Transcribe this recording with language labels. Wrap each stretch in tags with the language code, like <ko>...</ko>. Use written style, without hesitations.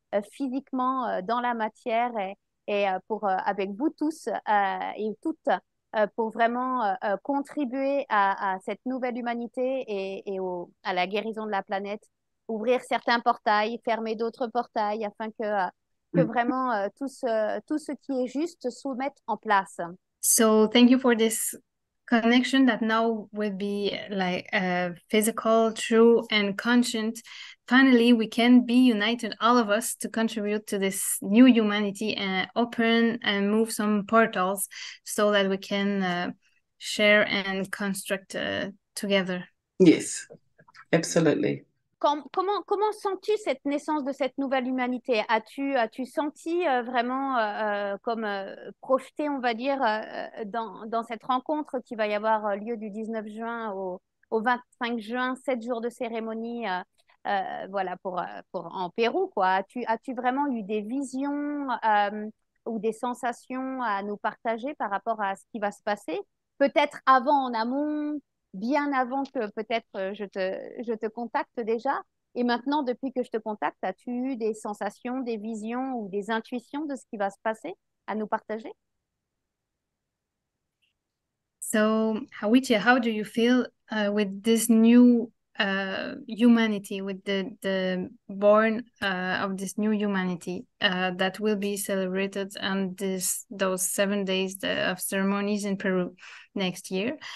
<fr>physiquement dans la matière et pour avec vous tous et toutes pour vraiment contribuer à cette nouvelle humanité et à la guérison de la planète, ouvrir certains portails, fermer d'autres portails, afin que vraiment tout ce qui est juste se mette en place.</fr> <en>So thank you for this connection that now will be like physical, true and conscient. Finally, we can be united, all of us, to contribute to this new humanity and open and move some portals so that we can share and construct together. Yes, absolutely.</en> <fr>Comment sens-tu cette naissance de cette nouvelle humanité? As-tu senti vraiment comme projeté, on va dire, dans cette rencontre qui va y avoir lieu du 19 juin au 25 juin, 7 jours de cérémonie pour en Pérou, quoi? As-tu vraiment eu des visions ou des sensations à nous partager par rapport à ce qui va se passer? Peut-être avant, en amont, bien avant que peut-être je te contacte déjà. Et maintenant, depuis que je te contacte, as-tu eu des sensations, des visions ou des intuitions de ce qui va se passer à nous partager?</fr> <en>So, Awhitia, how do you feel with this new humanity, with the born of this new humanity that will be celebrated on those 7 days of ceremonies in Peru next year?</en>